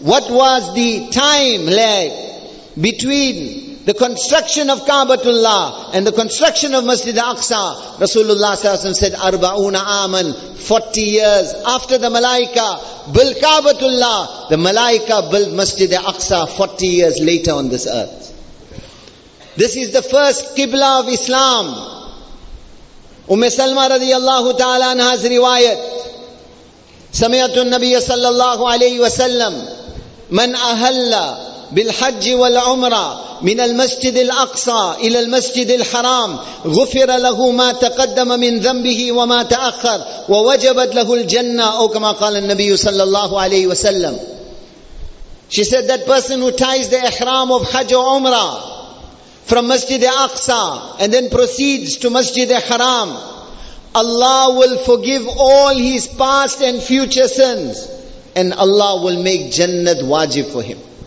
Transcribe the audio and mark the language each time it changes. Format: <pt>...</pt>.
<en>What was the time lag between the construction of Ka'batullah and the construction of Masjid al-Aqsa? Rasulullah sallallahu alaihi wasallam said,</en> <ar>Arba'una aman,</ar> <en>40 years after the Malaika built Ka'batullah, the Malaika built Masjid al-Aqsa 40 years later on this earth. This is the first Qibla of Islam.</en> <ar>Umm Salma radiallahu ta'ala anha's riwayat, Sami'atu an-Nabiyya sallallahu alayhi wa sallam, من أهل بالحج والعمرة من المسجد الأقصى إلى المسجد الحرام غفر له ما تقدم من ذنبه وما تأخر ووجبت له الجنة أو كما قال النبي صلى الله عليه وسلم.</ar> <en>She said, that person who ties the ihram of Hajj or Umrah from Masjid al-Aqsa and then proceeds to Masjid al-Haram, Allah will forgive all his past and future sins, and Allah will make Jannat wajib for him.</en>